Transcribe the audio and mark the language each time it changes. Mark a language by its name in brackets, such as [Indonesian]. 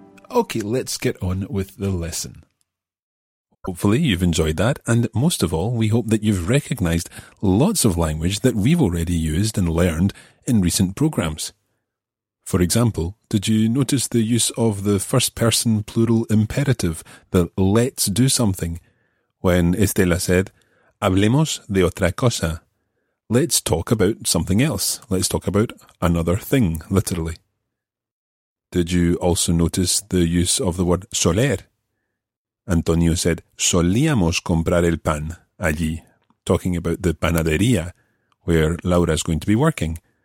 [English] Okay, let's get on with the lesson. Hopefully you've enjoyed that, and most of all, we hope that you've recognised lots of language that we've already used and learned in recent programmes. For example, did you notice the use of the first person plural imperative, the let's do something? When Estela said, [Spanish] hablemos de otra cosa. [English] Let's talk about something else. Let's talk about another thing, literally. Did you also notice the use of the word soler? Antonio said, [Spanish] solíamos comprar el pan allí, [English] talking about the panadería where Laura's going to be working.